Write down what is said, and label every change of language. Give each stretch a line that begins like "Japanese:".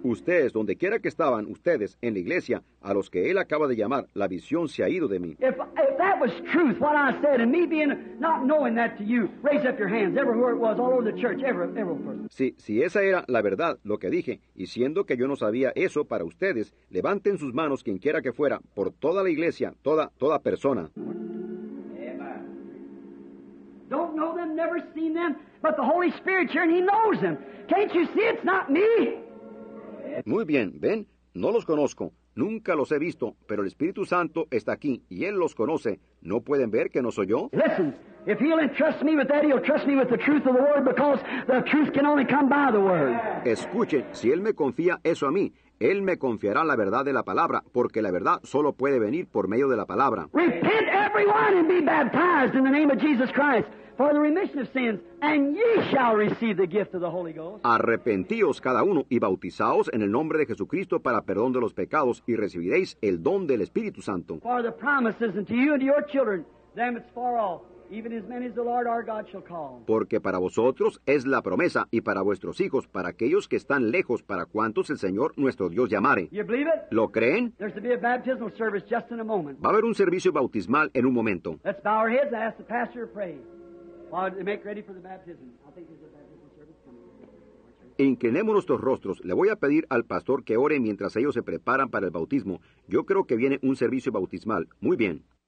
Spanish: Ustedes, donde quiera que estaban, ustedes, en la iglesia, a los que él acaba de llamar, la visión se ha ido de mí.
English: If that was truth, what I said, and me being not knowing that to you, raise up your hands, everywhere it was, all over the church, every person.
Spanish: Si esa era la verdad, lo que dije, y siendo que yo no sabía eso para ustedes, levanten sus manos, quien quiera que fuera, por toda la iglesia, toda persona.
English: Don't know them, never seen them, but the Holy Spirit's here and he knows them. Can't you see it's not me?
Spanish: Muy bien, ven, no los conozco, nunca los he visto, pero el Espíritu Santo está aquí y él los conoce. ¿No pueden ver que no soy yo?
English: Listen, if he'll entrust me with that, he'll trust me with the truth of the word because the truth can only come by the word.
Spanish: Escuchen, si él me confía eso a mí, él me confiará la verdad de la palabra, porque la verdad solo puede venir por medio de la palabra.
English: Repent everyone and be baptized in the name of Jesus Christ for the remission of sins, and ye shall receive the gift of the Holy Ghost.
Spanish: Arrepentíos cada uno y bautizaos en el nombre de Jesucristo para perdón de los pecados y recibiréis el don del Espíritu Santo.
English: For the promises unto you and your children, them it's far off. Even as many as the Lord our God shall call.
Spanish: Porque para vosotros es la promesa, y para vuestros hijos, para aquellos que están lejos, para cuantos el Señor nuestro Dios llamare.
English: You believe it?
Spanish: ¿Lo creen?
English: There's to be a baptismal service just in a moment.
Spanish: Va a haber un servicio bautismal en un momento.
English: Let's bow our heads and ask the pastor to pray while they make ready for the baptism. I think there's a baptismal service coming.
Spanish: Inclinemos nuestros rostros. Le voy a pedir al pastor que ore mientras ellos se preparan para el bautismo. Yo creo que viene un servicio bautismal. Muy bien.